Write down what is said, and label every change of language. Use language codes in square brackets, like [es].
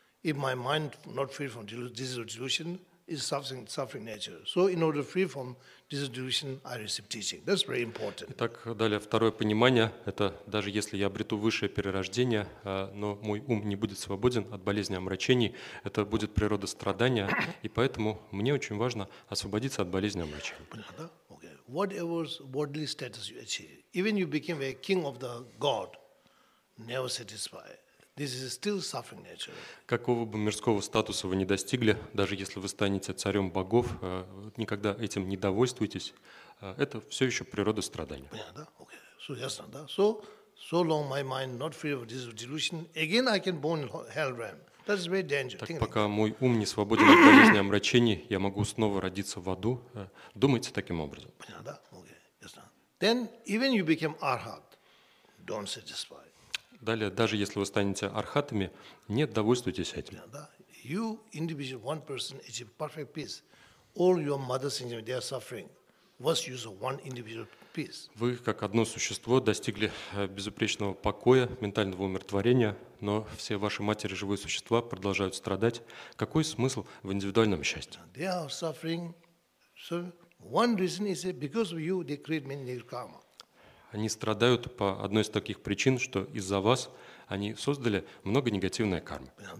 [en] If my mind not free from this delusion, is suffering nature. So in order free from this delusion, I receive teaching. That's very important. [ru] Итак, далее второе понимание – это даже если я обрету высшее перерождение, но мой ум не будет свободен от болезни омрачений, это будет природа страдания, и поэтому мне очень важно освободиться от болезни омрачений. [en] Okay. Whatever worldly status you achieve, even you became a king of the god, never satisfied. This is still suffering nature. [ru] Какого бы мирского статуса вы не достигли, даже если вы станете царем богов, никогда этим не довольствуйтесь. Это все еще природа страдания. Понятно, да? [en] Okay. So [ru] ясно, да? [en] So long my mind not free of this delusion. Again I can born in hell realm. That is very dangerous. [ru] Так, пока мой ум не свободен от болезни омрачений, я могу снова родиться в аду. Думайте таким образом. Понятно, да? [en] Okay. Ясно. Then even you became arhat, don't satisfy. [ru] Далее, даже если вы станете архатами, не довольствуйтесь этим. [en] You individual one person achieve perfect peace. All your mother's sentient they are suffering. What's use of one individual peace? [ru] Вы как одно существо достигли безупречного покоя, ментального умиротворения, но все ваши матери живые существа продолжают страдать. Какой смысл в индивидуальном счастье? [en] They are suffering. So one reason is because of you they create many negative karma. [ru] Они страдают по одной из таких причин, что из-за вас они создали много негативной кармы.